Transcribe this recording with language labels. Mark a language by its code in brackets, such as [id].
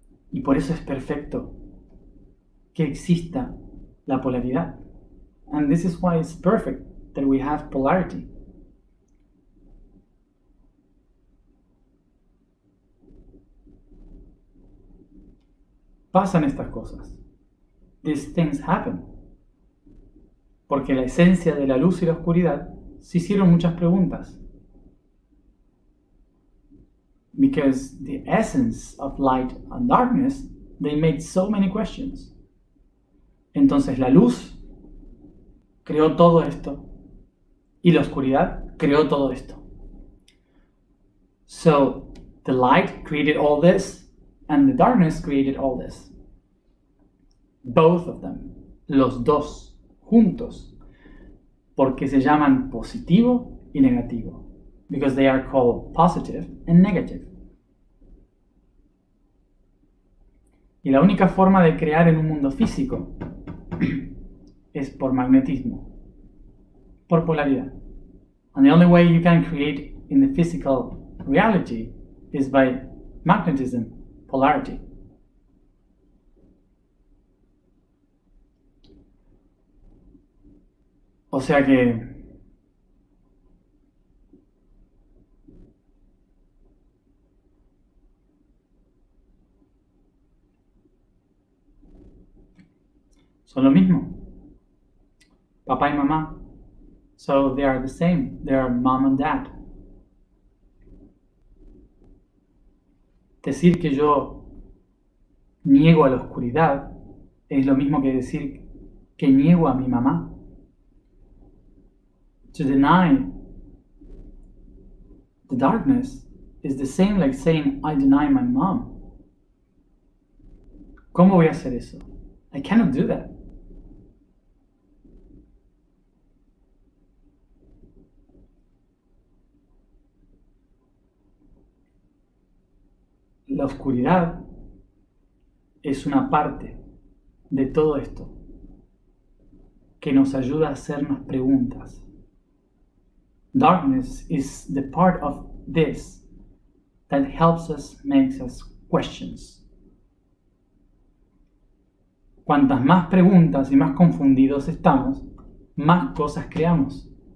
[es] Y por eso es perfecto que exista la polaridad. [en] And this is why it's perfect that we have polarity. [es] Pasan estas cosas. [en] These things happen. [es] Porque la esencia de la luz y la oscuridad se hicieron muchas preguntas. [en] Because the essence of light and darkness, they made so many questions. [es] Entonces la luz creó todo esto y la oscuridad creó todo esto. [en] So the light created all this and the darkness created all this. Both of them, [es] los dos juntos, porque se llaman positivo y negativo. [en] Because they are called positive and negative. [es] Y la única forma de crear en un mundo físico es por magnetismo, por polaridad. [en] And the only way you can create in the physical reality is by magnetism, polarity. [es] O sea que son lo mismo. Papá y mamá. [en] So they are the same. They are mom and dad. [es] Decir que yo niego a la oscuridad es lo mismo que decir que niego a mi mamá. [en] To deny the darkness is the same like saying I deny my mom. [es] ¿Cómo voy a hacer eso? [en] I cannot do that. [es] la oscuridad es una parte de todo esto que nos ayuda a hacernos preguntas. [en] Darkness is the part of this that helps us make us questions. [es] Cuantas más preguntas y más confundidos estamos, más cosas creamos.